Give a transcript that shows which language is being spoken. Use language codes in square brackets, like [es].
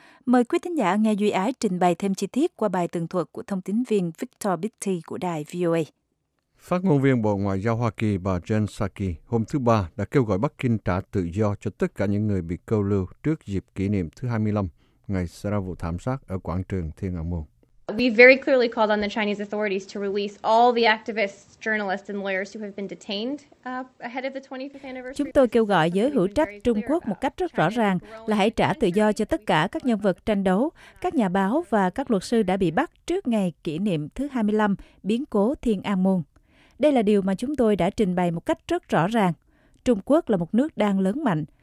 [vi] Mời quý thính giả nghe Duy Ái trình bày thêm chi tiết qua bài tường thuật của thông tín viên Victor Bitty của đài VOA. Phát ngôn viên Bộ Ngoại giao Hoa Kỳ bà Jen Psaki hôm thứ Ba đã kêu gọi Bắc Kinh trả tự do cho tất cả những người bị câu lưu trước dịp kỷ niệm thứ 25 ngày xảy ra vụ thảm sát ở quảng trường Thiên An Môn. [en] We very clearly called on the Chinese authorities to release all the activists, journalists and lawyers who have been detained ahead of the 25th anniversary. [vi] Chúng tôi kêu gọi giới hữu trách Trung Quốc một cách rất rõ ràng là hãy trả tự do cho tất cả các nhân vật tranh đấu, các nhà báo và các luật sư đã bị bắt trước ngày kỷ niệm thứ 25 biến cố Thiên An Môn. Đây là điều mà chúng tôi đã trình bày một cách rất rõ ràng. Trung Quốc là một nước đang lớn mạnh.